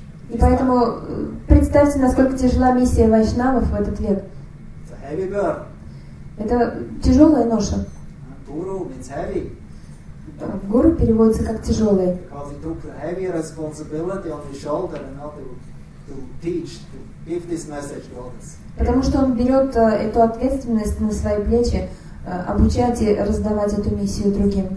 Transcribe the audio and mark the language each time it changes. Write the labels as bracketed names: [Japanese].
[Russian] И поэтому представьте, насколько тяжела миссия вайшнавов в этот век. Это тяжелая ноша. [English] Guru means heavy. [Russian] Guru переводится как тяжелый. [English] Because he took a heavy responsibility on his shoulder and not to teach, to give this message to others. [Russian] Потому что он берет эту ответственность на свои плечи, обучать и раздавать эту миссию другим.